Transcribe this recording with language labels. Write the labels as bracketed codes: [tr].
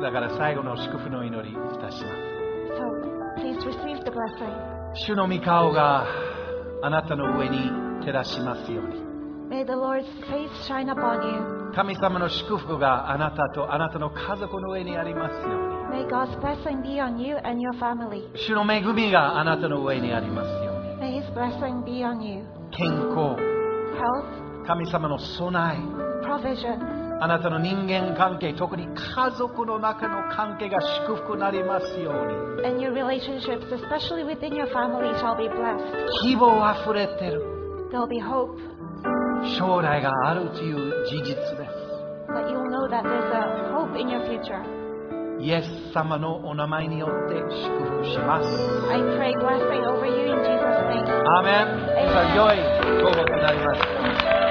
[ja] だから最後の祝福の祈りいたします。 [en] So please receive the blessing. [ja] 主の御顔があなたの上に照らしますように。 [en] May the Lord's face shine upon you. [ja] 神様の祝福があなたとあなたの家族の上にありますように。 [en] May God's blessing be on you and your family. [ja] 主の恵みがあなたの上にありますように。 [en] May His blessing be on you. [ja] 健康。 [en] Health. [ja] 神様の備え。 [en] Provision. [ja] あなたの人間関係、特に家族の中の関係が祝福になりますように。 [en] And your relationships, especially within your family, shall be blessed. [ja] 希望あふれてる。 [en] There'll be hope. [ja] 将来があるという事実です。 [en] But you'll know that there's a hope in your future. [ja] イエス様のお名前によって祝福します。 [en] I pray blessing over you in Jesus' name. [ja] アーメン。さあ、良い午後となります。